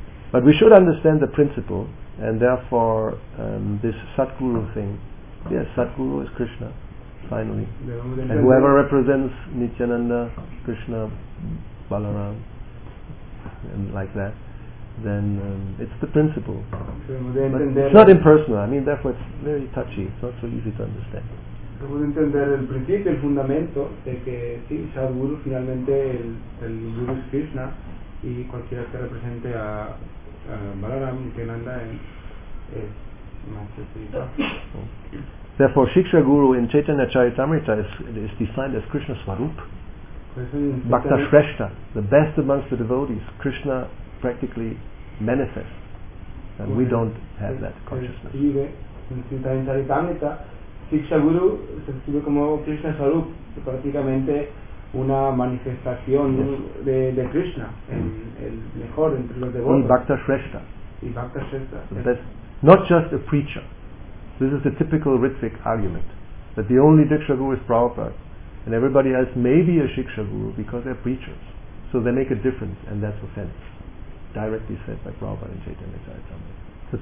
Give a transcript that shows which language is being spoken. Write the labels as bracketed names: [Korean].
[English] But we should understand the principle and therefore this Satguru thing. Yes, Satguru is Krishna. Finally, and whoever represents Nityananda, Krishna, Balaram, and like that, then it's the principle. But it's not impersonal. I mean, therefore, it's very touchy. It's not so easy to understand. [Spanish] Se puede entender el principio, el fundamento de que sí, Sadhguru finalmente el guru es Krishna y cualquiera que represente a Balaram, Nityananda, es maestro espiritual. [English] Therefore, Shiksha Guru in Chaitanya Charitamrita is defined as Krishna Swarup. Bhakta Shrestha, the best amongst the devotees, Krishna practically manifests. And we don't have that consciousness. In Chaitanya Charitamrita, [Spanish] Shiksha Guru se describe como Krishna Swarup, prácticamente una manifestación de Krishna, el mejor entre los devotos. [English] Bhakta Shrestha. [Spanish] Y Bhakta Shrestha. [English] The best, not just a preacher. This is the typical Ritvik argument, that the only Diksha Guru is Prabhupada, and everybody else may be a Shiksha Guru because they're preachers. So they make a difference, and that's offense. Directly said by Prabhupada and Chaitanya Charitamrita.